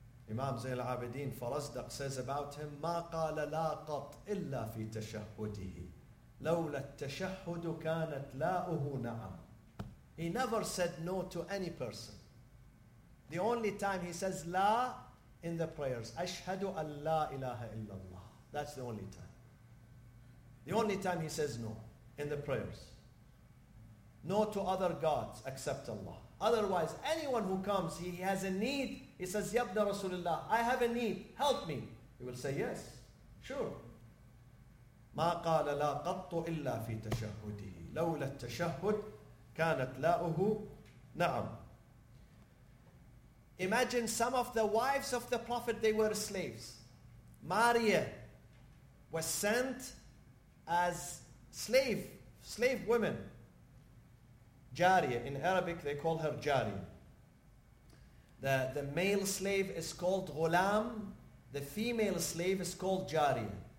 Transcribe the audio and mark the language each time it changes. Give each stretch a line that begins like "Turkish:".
English: Imam Zain al-Abidin Farazdaq says about him,
Arabic: ما قال لا قط إلا في تشهده لولا التشهد كانت لاؤه نعم.
English: He never said no to any person. The only time he says لا in the prayers,
Arabic: أشهد أن لا إله إلا الله.
English: That's the only time. The only time he says no in the prayers. No to other gods except Allah. Otherwise, anyone who comes, he has a need, he says, Ya Ibn Rasulullah, I have a need, help me. He will say, yes, sure.
Arabic: ما قال لا قط إلا في تشهده لولا التشهد كانت لاؤه نعم.
English: Imagine some of the wives of the Prophet, they were slaves. Maria was sent as slave women. Jariya, in Arabic they call her Jariya. The male slave is called Ghulam, the female slave is called Jariya.